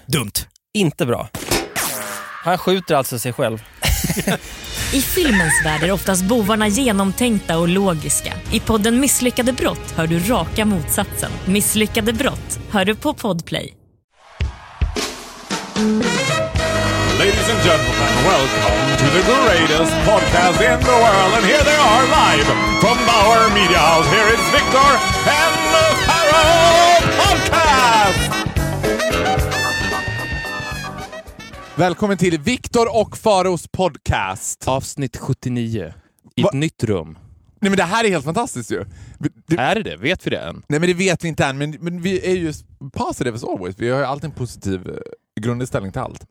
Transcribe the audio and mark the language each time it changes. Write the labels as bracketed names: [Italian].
[Swedish] Dumt. Inte bra. Han skjuter alltså sig själv. I filmens värld är oftast bovarna genomtänkta och logiska. I podden Misslyckade brott hör du raka motsatsen. Misslyckade brott hör du på Podplay. [English] Ladies and gentlemen, welcome to the greatest podcast in the world. And here they are live from Bauer Media House. Here is Victor and the Harold Podcast! [Swedish] Välkommen till Victor och Faros podcast. Avsnitt 79. I ett nytt rum. Nej, men det här är helt fantastiskt ju. Är det det? Vet vi det än? Nej, men det vet vi inte än. Men vi är ju [English] positive as always. [Swedish] Vi har ju alltid en positiv grundinställning till allt.